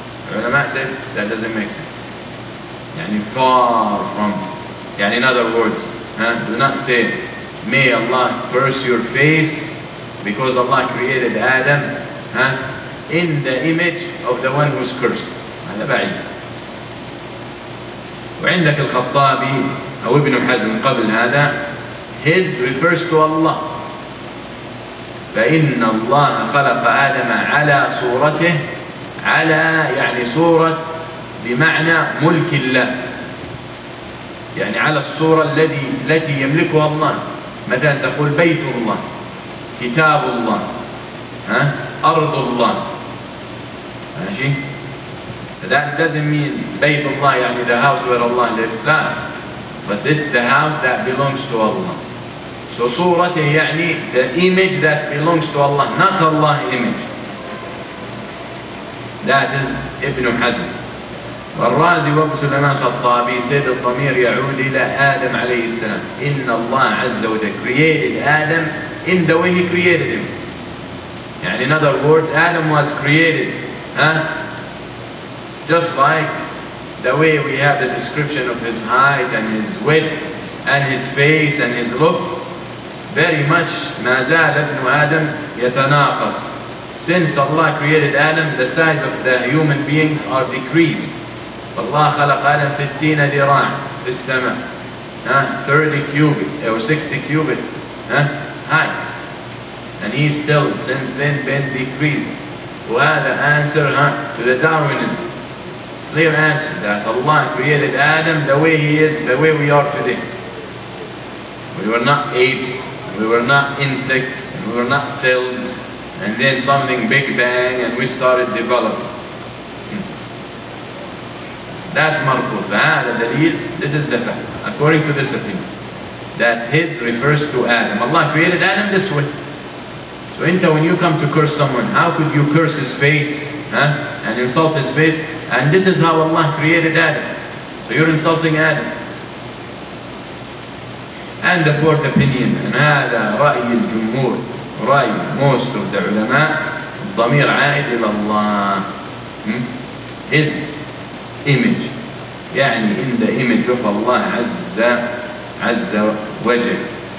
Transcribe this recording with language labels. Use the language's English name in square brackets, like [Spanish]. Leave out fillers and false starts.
[English] The ulama said, that doesn't make sense. يعني far from. يعني in other words, do not say, may Allah curse your face because Allah created Adam in the image of the one who's cursed. [Arabic] هذا بعيد. وعندك الخطابي أو ابن حزم قبل هذا, [English] his refers to Allah. [Arabic] فإن الله خلق آدم على صورته, على يعني صورة بمعنى ملك الله. يعني على الصورة التي يملكها الله. مثلا تقول بيت الله كتاب الله أرض الله ماشي. [English] That doesn't mean [Arabic] بيت الله يعني [English] the house where Allah lives. [Arabic] لا. [English] But it's the house that belongs to Allah. So صورته يعني the image that belongs to Allah, not Allah image. That is ابن حزم. [Arabic] والرازي وابو سليمان الخطابي said الضمير يعود إلى آدم عليه السلام. إن الله عز وجل [English] created Adam in the way he created him. يعني in other words, Adam was created. Just like the way we have the description of his height and his width and his face and his look, very much [Arabic] ما زال ابن آدم يتناقص. [English] Since Allah created Adam, the size of the human beings are decreasing. [Arabic] Allah خلق آدم 60 ذراع في السماء. [English] 30 cubit or 60 cubit high. And he's still since then been decreasing. [Arabic] وهذا [English] answer to the Darwinism. Clear answer that Allah created Adam the way he is, the way we are today. We were not apes, we were not insects, we were not cells, and then something big bang and we started developing. That's marfu. This is the fact, according to this opinion, that his refers to Adam. Allah created Adam this way. So when you come to curse someone, how could you curse his face and insult his face? And this is how Allah created Adam. So you're insulting Adam. And the fourth opinion, and [Arabic] هذا رأي الجمهور, رأي [English] most of the [Arabic] علماء, الضمير عائد إلى الله. [English] His image. يعني in the image of Allah عز وجل.